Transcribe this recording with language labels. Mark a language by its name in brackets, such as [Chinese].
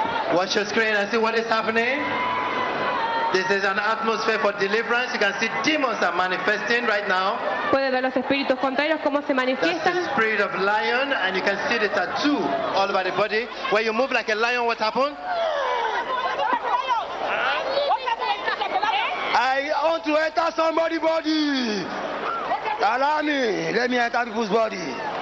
[English] Watch your screen and see what is happening. This is an atmosphere for deliverance. You can see demons are manifesting right now. [Spanish] Puede ver los espíritus contrarios cómo se manifiestan. [English] That's the spirit of lion, and you can see the tattoo all over the body. When you move like a lion, what happened? I want to enter somebody's body. Allow me. Let me enter people's body.